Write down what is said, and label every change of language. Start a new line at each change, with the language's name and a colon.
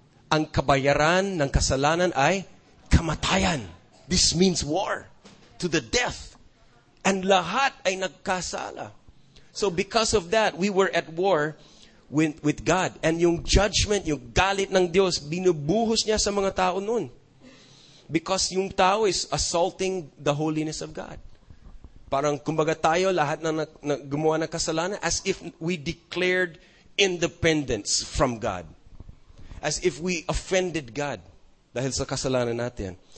Filipino: Ang kabayaran ng kasalanan ay kamatayan.
English: This means war to the death. And
Filipino: lahat ay nagkasala.
English: So because of that, we were at war with God.
Filipino: And yung judgment, yung galit ng Diyos, binubuhos niya sa mga tao noon.
English: Because
Filipino: yung tao
English: is assaulting the holiness of God.
Filipino: Parang kumbaga tayo, lahat na gumawa ng kasalanan,
English: as if we declared independence from God. As if we offended God
Filipino: dahil sa kasalanan natin.